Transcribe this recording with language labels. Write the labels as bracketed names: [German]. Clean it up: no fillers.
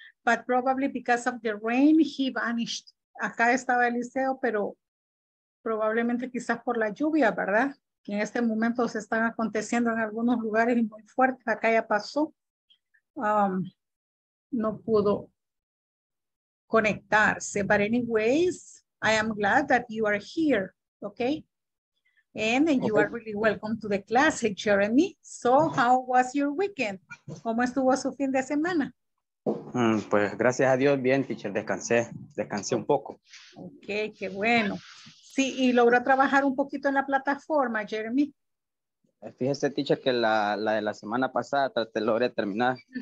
[English] But probably because of the rain, he vanished. [Spanish] Acá estaba Eliseo, pero probablemente quizás por la lluvia, ¿verdad? Que en este momento se están aconteciendo en algunos lugares muy fuertes. Acá ya pasó. No pudo conectarse. [English] But anyways, I am glad that you are here, okay? And you are really welcome to the class, Jeremy. So how was your weekend? [Spanish] ¿Cómo estuvo su fin de semana? Pues gracias a Dios, bien, teacher, descansé un poco. Ok, qué bueno. Sí, y logró trabajar un poquito en la plataforma, Jeremy. Fíjese, teacher, que la de la semana pasada logré terminar.